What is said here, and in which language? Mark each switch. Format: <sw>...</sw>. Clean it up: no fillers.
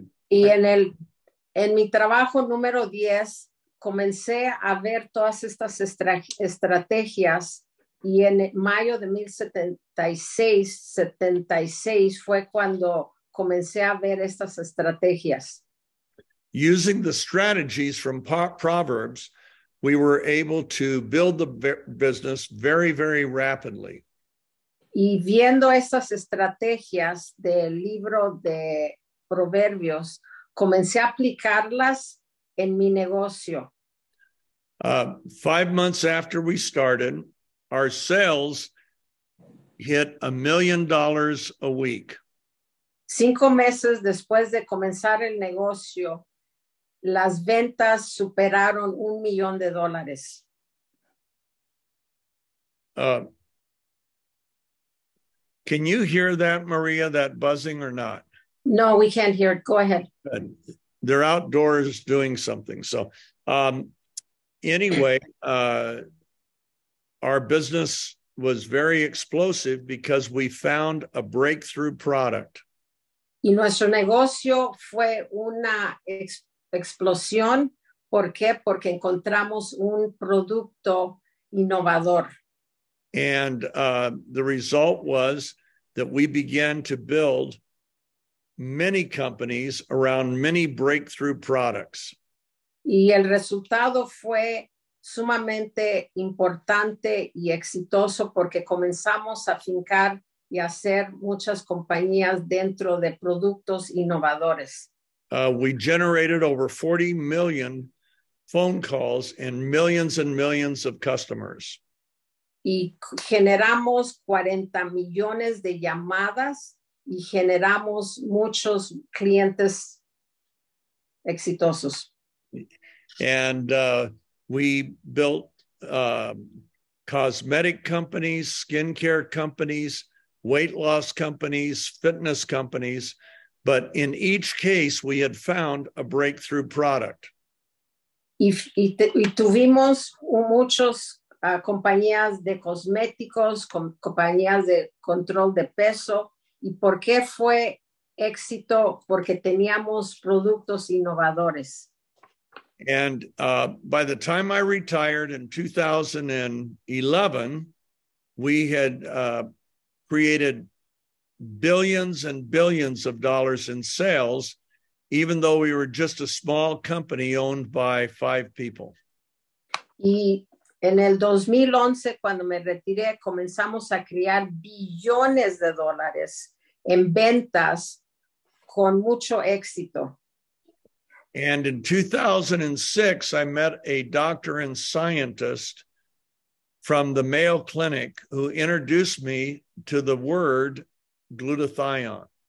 <es>Y en mi trabajo número 10, comencé a ver todas estas estrategias, y en mayo de 1976 fue cuando comencé a ver estas estrategias.</es> <en>Using the strategies from Proverbs, we were able to build the business very, very rapidly.</en> <es>Y viendo esas estrategias del libro de Proverbios, comencé a aplicarlas en mi negocio.</es> <en>5 months after we started, our sales hit $1 million a week.</en> <es>5 meses después de comenzar el negocio, las ventas superaron $1 million.</es> <en>Can you hear that, Maria, that buzzing or not? No, we can't hear it. Go ahead. They're outdoors doing something. So anyway, our business was very explosive because we found a breakthrough product.</en> <es>Y nuestro negocio fue una explosión. ¿Por qué? Porque encontramos un producto innovador.</es> <en>And the result was that we began to build many companies around many breakthrough products.</en> <es>Y el resultado fue sumamente importante y exitoso porque comenzamos a fincar y hacer muchas compañías dentro de productos innovadores.</es> <en>We generated over 40 million phone calls and millions of customers.</en> <es>Y generamos 40 millones de llamadas y generamos muchos clientes exitosos.</es> <en>And we built cosmetic companies, skincare companies, weight loss companies, fitness companies, but in each case, we had found a breakthrough product.</en> <es>Y tuvimos muchos compañías de cosméticos, compañías de control de peso. ¿Y por qué fue éxito? Porque teníamos productos innovadores.</es> <en>And by the time I retired in 2011, we had created billions and billions of dollars in sales, even though we were just a small company owned by five people.</en> <es>Y en el 2011, cuando me retiré, comenzamos a crear billones de dólares en ventas con mucho éxito.</es> <en>And in 2006, I met a doctor and scientist from the Mayo Clinic who introduced me to the word glutathione.</en>